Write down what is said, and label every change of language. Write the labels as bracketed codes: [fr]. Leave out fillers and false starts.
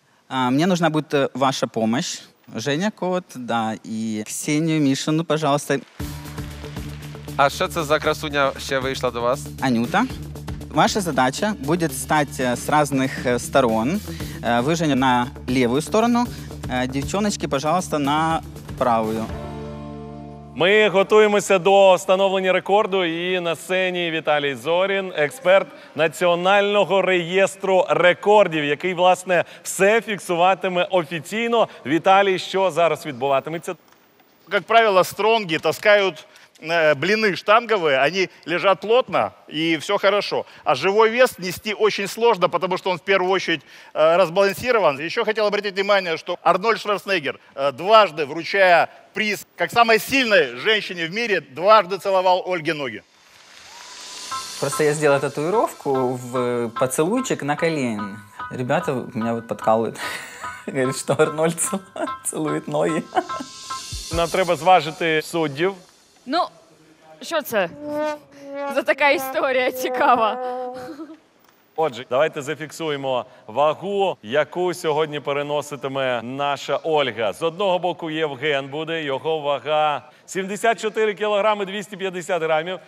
[uk] Мені потрібна буде ваша допомога. Женя Кот, да, і Ксенію Мішину, пожалуйста. А що це за красуня ще вийшла до вас? Анюта. Ваша задача буде стати з різних сторон. Ви, Женя, на ліву сторону. Дівчиночки, пожалуйста, на праву. Ми готуємося до встановлення рекорду і на сцені Віталій Зорін, експерт Національного реєстру рекордів, який, власне, все фіксуватиме офіційно. Віталій, що зараз відбуватиметься? [ru] Як правило, стронги таскають блины штанговые, они лежат плотно, и все хорошо. А живой вес нести очень сложно, потому что он в первую очередь разбалансирован. Еще хотел обратить внимание, что Арнольд Шварценеггер, дважды вручая приз как самой сильной женщине в мире, дважды целовал Ольге ноги. Просто я сделал татуировку в поцелуйчик на колени. Ребята меня вот подкалывают. Говорят, что Арнольд целует ноги. [uk] Нам треба зважити суддів. Ну, що це за така історія цікава? Отже, давайте зафіксуємо вагу, яку сьогодні переноситиме наша Ольга. З одного боку Євген буде, його вага 74 кілограми 250 грамів.